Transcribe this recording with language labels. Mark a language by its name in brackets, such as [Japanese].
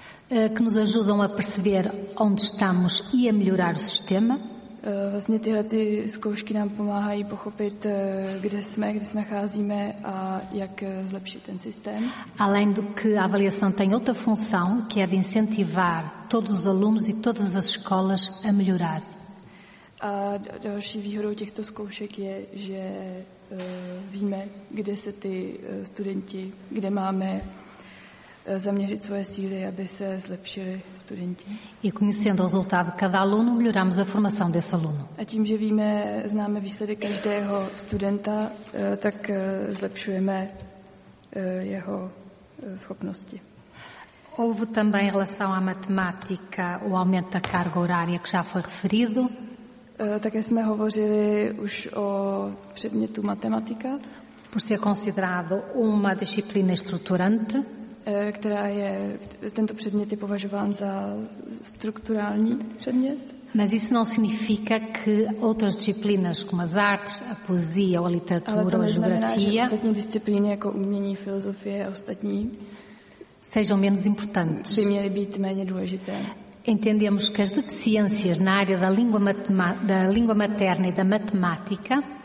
[Portuguese] Que nos ajudam a perceber onde estamos e a melhorar o sistema. [Czech] Vlastně tyhle ty zkoušky nám pomáhají pochopit, kde se nacházíme a jak zlepšit ten systém. [Portuguese] Além do que a avaliação tem outra função, que é de incentivar todos os alunos e todas as escolas a melhorar. [Czech] A další výhodou těchto zkoušek je, že víme, kde se ty studenti, kde máme zaměřit svoje síly, aby se zlepšili studenti. [Portuguese] E conhecendo o resultado de cada aluno, melhoramos a formação desse aluno. [Czech] A tím, že víme, známe výsledek každého studenta, tak zlepšujeme jeho schopnosti. [Portuguese] Houve também em relação à matemática o aumento da carga horária, que já foi referido. [Czech] Také jsme hovořili už o předmětu matematika. [Portuguese] Por ser considerado uma disciplina estruturante. [Czech] Která je, tento předmět je považován za strukturální předmět. [Portuguese] Mas isso não significa que outras disciplinas, como as artes, a poesia ou a literatura ou a geografia, [Czech] ostatní disciplíny jako umění, filozofie a ostatní, [Portuguese] sejam menos importantes. [Czech] By měly být méně důležité. [Portuguese] Entendemos que as deficiências na área da língua, da língua materna e da matemática,